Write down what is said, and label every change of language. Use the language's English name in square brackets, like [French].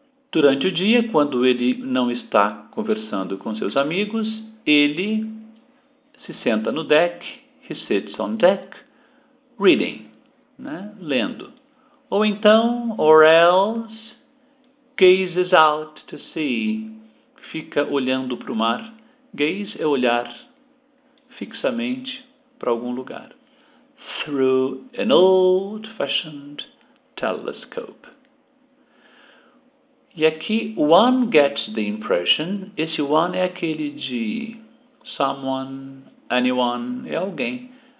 [Portuguese] Durante o dia, quando ele não está conversando com seus amigos, ele se senta no deck, [English] he sits on deck, reading, [Portuguese] né? Lendo. Ou então, [English] or else, gazes out to sea, [Portuguese] fica olhando para o mar. Gaze é olhar fixamente para algum lugar. [English] Through an old-fashioned telescope. [Portuguese] E aqui, [English] one gets the impression, [Portuguese] esse one é aquele de someone, anyone, é alguém.